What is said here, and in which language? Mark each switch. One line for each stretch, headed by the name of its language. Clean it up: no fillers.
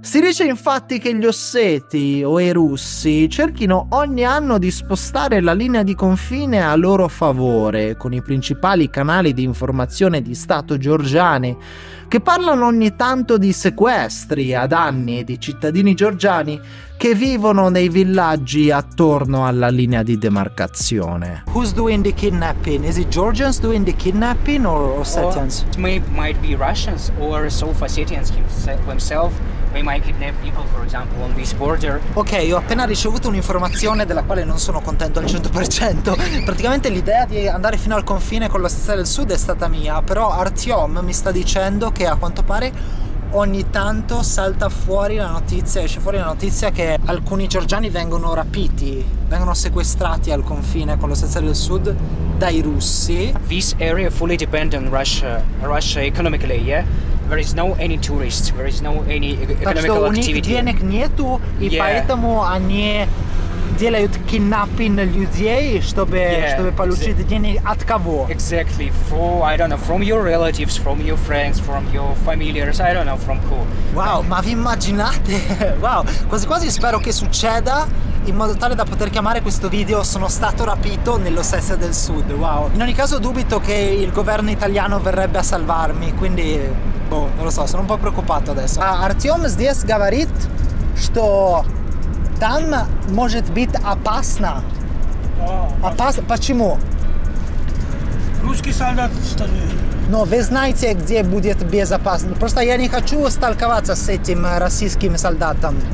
Italian: Si dice infatti che gli osseti o i russi cerchino ogni anno di spostare la linea di confine a loro favore, con i principali canali di informazione di stato georgiani che parlano ogni tanto di sequestri a danni di cittadini georgiani che vivono nei villaggi attorno alla linea di demarcazione.
English: Who's doing the kidnapping? Is it Georgians doing the kidnapping or Ossetians? It might be Russians or South Ossetians himself. We might kidnap people, for example, on this border.
Italian: Ok, ho appena ricevuto un'informazione della quale non sono contento al 100%. Praticamente l'idea di andare fino al confine con l'Ossetia del Sud è stata mia, però Artyom mi sta dicendo che a quanto pare ogni tanto salta fuori la notizia, esce fuori la notizia che alcuni georgiani vengono rapiti, vengono sequestrati al confine con l'Ossetia del Sud dai russi.
English: This area fully depends on Russia economically, yeah? There is no any tourists, there is no any economical activity.
Russian: Так что у них денег нету, и поэтому они делают kidnapping людей, чтобы получить деньги от кого?
English: Exactly, from your relatives, from your friends, from your familiars, I don't know from who.
Italian: Wow, ma vi immaginate? Wow, quasi quasi spero che succeda in modo tale da poter chiamare questo video "sono stato rapito nell'Ossetia del Sud". Wow. In ogni caso dubito che il governo italiano verrebbe a salvarmi, quindi boh, non lo so, sono un po' preoccupato adesso.
Russian: Artyom здесь говорит, что там может быть опасно. Опасно? Почему? Русский солдат стали. Но вы знаете, где будет безопасно. Просто я не хочу сталкиваться с этим российским солдатом.